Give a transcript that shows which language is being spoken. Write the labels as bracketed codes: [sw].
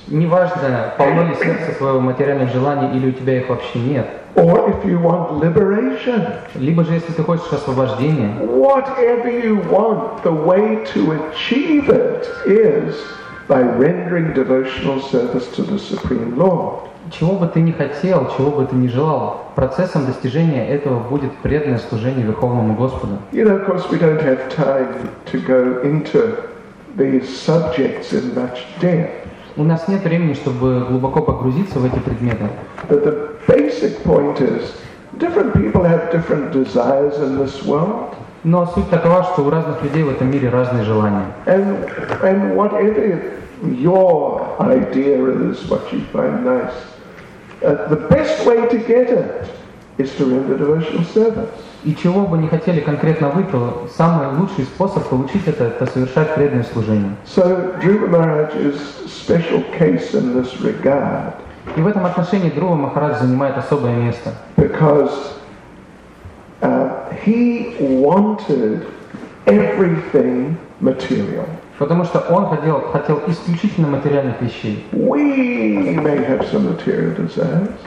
[ru] неважно, полно ли сердце своего материальных желаний или у тебя их вообще нет, [en] or if you want liberation, [ru] либо же если ты хочешь освобождения, [en] whatever you want, the way to achieve it is by rendering devotional service to the Supreme Lord. [ru] чего бы ты ни хотел, чего бы ты ни желал, процессом достижения этого будет преданное служение Верховному Господу. [en] You know, of course, we don't have time to go into these subjects in much depth. [ru] У нас нет времени, чтобы глубоко погрузиться в эти предметы. [en] But the basic point is, different people have different desires in this world. [ru] Но суть такова, что у разных людей в этом мире разные желания. [en] And whatever your idea is, what you find nice, the best way to get it is to render devotional service. [ru] И чего бы не хотели конкретно вы, то самый лучший способ получить это совершать преданное служение. [en] So Dhruva Maharaj is special case in this regard. [ru] И в этом отношении Дхрува Махарадж занимает особое место. [en] Because he wanted everything material. [ru] Потому что он хотел исключительно материальных вещей. [en] We may have some material desires.